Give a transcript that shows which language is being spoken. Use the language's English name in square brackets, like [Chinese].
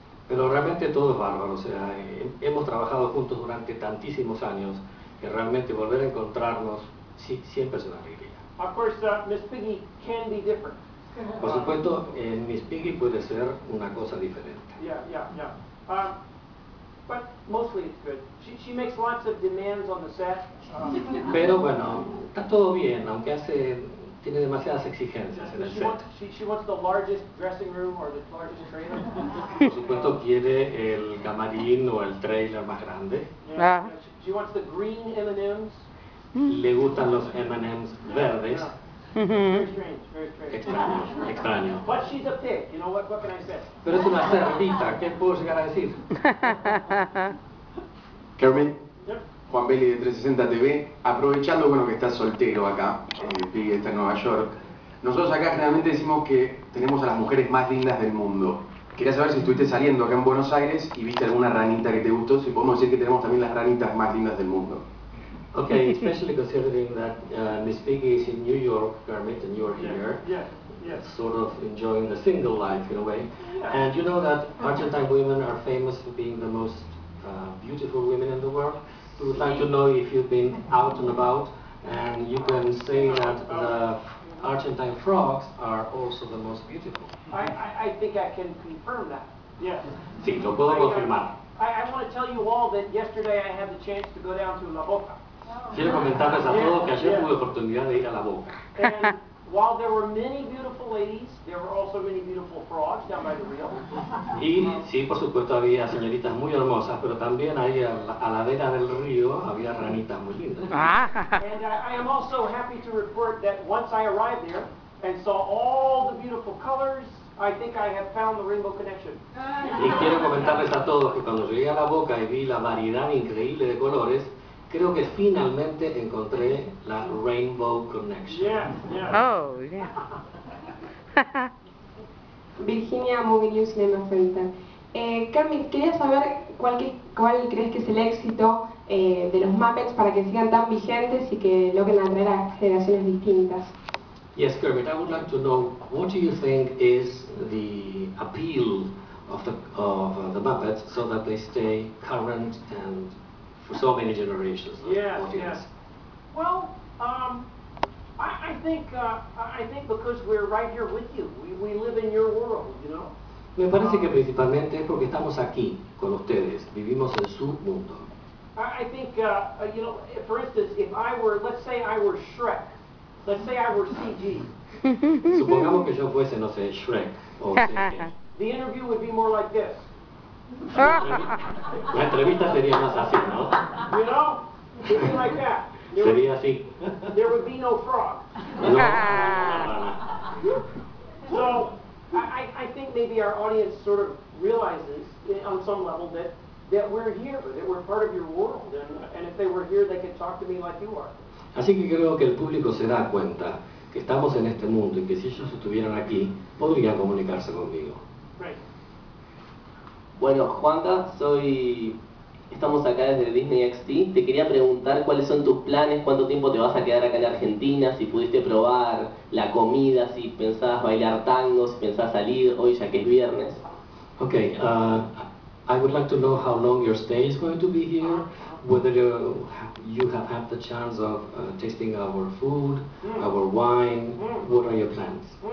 [Spanish] Pero realmente todo es bárbaro, o sea, hemos trabajado juntos durante tantísimos años que realmente volver a encontrarnos sí, siempre es una alegría. [English] Of course, Miss Piggy can be different. [Spanish] Por supuesto, Miss Piggy puede ser una cosa diferente. [English] Yeah. But mostly it's good. She makes lots of demands on the set. [Spanish] Pero bueno, está todo bien, aunque tiene demasiadas exigencias en el set. [English] She wants the largest dressing room or the largest trailer. [Spanish] Por supuesto, quiere el camarín o el trailer más grande. [English] Yeah. She wants the green M&Ms. [Spanish] Le gustan los M&M's verdes. [English] Very strange. [Spanish] Extraño. [English] But she's a pig, you know, what can I say? [Spanish] Pero es una cerdita, ¿qué puedo llegar a decir? [English] Kermit, yep. [Spanish] Juan Belli de 360 TV, aprovechando bueno que estás soltero acá, Piggy está en Nueva York, nosotros acá generalmente decimos que tenemos a las mujeres más lindas del mundo. Quería saber si estuviste saliendo acá en Buenos Aires y viste alguna ranita que te gustó, si podemos decir que tenemos también las ranitas más lindas del mundo. [English] Okay, especially considering that Miss Piggy is in New York, Kermit, and you're here, sort of enjoying the single life in a way. Yeah. And you know that Argentine women are famous for being the most beautiful women in the world. We would like to know if you've been out and about, and you can say that the Argentine frogs are also the most beautiful. I think I can confirm that. Yes. [Spanish] Sí, lo puedo confirmar. [English] I want to tell you all that yesterday I had the chance to go down to La Boca. [Spanish] Quiero comentarles a todos que ayer tuve oportunidad de ir a La Boca. [English] And while there were many beautiful beautiful ladies, there were also many beautiful frogs down by the reel. [Spanish] Y sí, por supuesto había señoritas muy hermosas, pero también ahí a la vera del río había ranitas muy lindas. [English] And I am also happy to report that once I arrived there and saw all the beautiful colors, I think I have found the rainbow connection. [Spanish] Y quiero comentarles a todos que cuando llegué a la boca y vi la variedad increíble de colores, creo que finalmente encontré la [English] rainbow connection. Yes, yes. Oh, yeah. [Spanish] Virginia Movie News le nos cuenta. Kermit, quería saber cuál crees que es el éxito de los Muppets para que sigan tan vigentes y que logren atraer a generaciones distintas. [English] Yes, Kermit, I would like to know, what do you think is the appeal of the Muppets so that they stay current and for so many generations? Yes. Well, I think because we're right here with you. We live in your world, you know? [Spanish] Me parece que principalmente es porque estamos aquí con ustedes. Vivimos en su mundo. [English] I think, for instance, let's say I were CG. [Spanish] Supongamos que yo fuese, no sé, Shrek o [English] The interview would be more like this. [Spanish] La entrevista sería más así, ¿no? [English] You know? It would be like that. [Spanish] Sería así. [English] There would be no frog. [Spanish] No. [English] So, I think maybe our audience sort of realizes on some level that we're here, that we're part of your world, and if they were here, they could talk to me like you are. [Spanish] Así que creo que el público se da cuenta que estamos en este mundo y que si ellos estuvieran aquí, podrían comunicarse conmigo. [English] Right. [Spanish] Bueno, Juanca, estamos acá desde Disney XD. Te quería preguntar cuáles son tus planes, cuánto tiempo te vas a quedar acá en Argentina, si pudiste probar la comida, si pensabas bailar tango, si pensabas salir hoy ya que es viernes. [English] Okay, I would like to know how long your stay is going to be here. Whether you have had the chance of tasting our food, our wine, what are your plans?